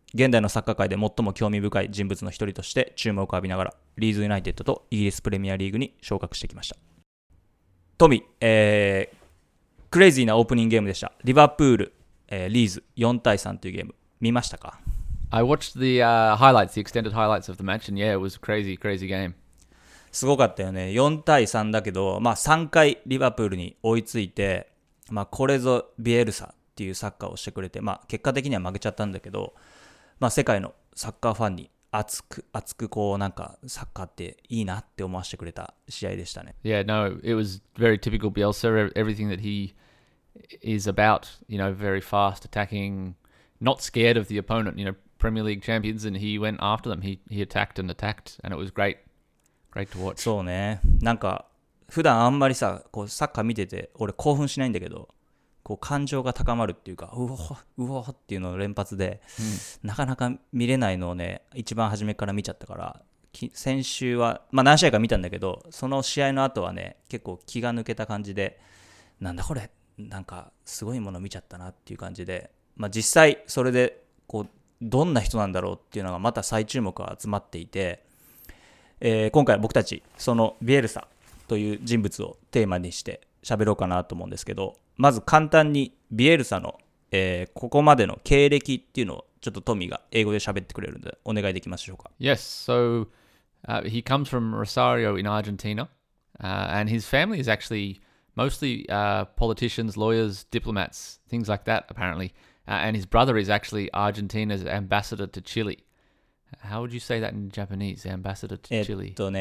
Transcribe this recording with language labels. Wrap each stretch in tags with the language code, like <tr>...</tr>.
<ja>現代のサッカー界で最も興味深い人物の一人として注目を浴びながら、リーズユナイテッドとイギリスプレミアリーグに昇格してきました。トミ、クレイジーなオープニングゲームでした。リバプール、リーズ4対3というゲーム見ましたか？</ja> <en>I watched the highlights, the extended highlights of the match, and yeah, it was a crazy, crazy game.</en> <ja>すごかったよね。 4対3だけど、まあ3回リバプールに追いついて、まあこれぞビエルサっていうサッカーをしてくれて、まあ結果的には負けちゃったんだけど、まあ世界のサッカーファンに熱くこうなんかサッカーっていいなって思わせてくれた試合でしたね。</ja> <en>Yeah, no, it was very typical Bielsa. Everything that he is about, you know, very fast attacking, not scared of the opponent, you know, Premier League champions, and he went after them. He attacked and attacked, and it was great to watch.</en> <ja>そうね。なんか普段あんまりさ、こうサッカー見てて俺興奮しないんだけど、こう感情が高まるっていうか、うわうわっていうのを連発で、なかなか見れないのをね、一番初めから見ちゃったから、先週は、まあ何試合か見たんだけど、その試合の後はね、結構気が抜けた感じで、なんだこれ、なんかすごいもの見ちゃったなっていう感じで、まあ実際それで、こう、どんな人なんだろうっていうのがまた再注目が集まっていて、今回僕たち、そのビエルサという人物をテーマにして喋ろうかなと思うんですけど、まず簡単にビエルサの、ここまでの経歴っていうのをちょっとトミーが英語で喋ってくれるんでお願いできますでしょうか。</ja> <en>Yes, so he comes from Rosario in Argentina, and his family is actually mostly politicians, lawyers, diplomats, things like that apparently, and his brother is actually Argentina's ambassador to Chile. How would you say that in Japanese, ambassador to Chile?</en>